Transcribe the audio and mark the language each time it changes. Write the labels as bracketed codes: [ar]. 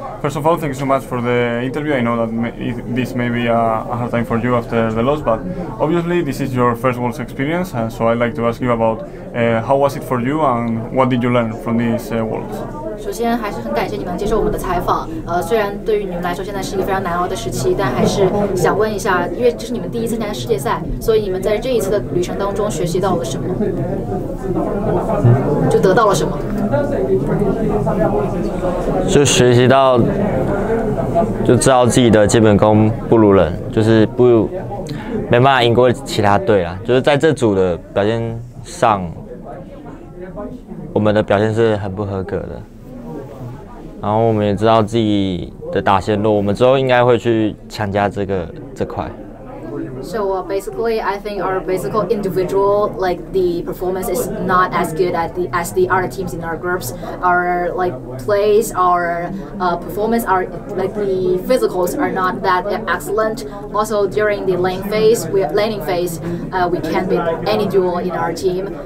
[en] First of all, thank you so much for the interview. I know that this may be a hard time for you after the loss, but obviously this is your first Worlds experience, so I'd like to ask you about how was it for you and what did you learn from this Worlds? [zh] 首先还是很感谢你们接受我们的采访，虽然对于你们来说现在是一个非常难熬的时期，但还是想问一下，因为这是你们第一次参加世界赛，所以你们在这一次的旅程当中学习到了什么，就得到了什么，就学习到就知道自己的基本功不如人，就是不没办法赢过其他队啦，就是在这组的表现上我们的表现是很不合格的，然后我们也知道自己的打线弱，我们之后应该会去强加这块。 [en] So basically, I think our basic individual, like the performance is not as good as the other teams in our groups. Our like plays, our performance, our like the physicals are not that excellent. Also during the laning phase, we can't beat any duo in our team.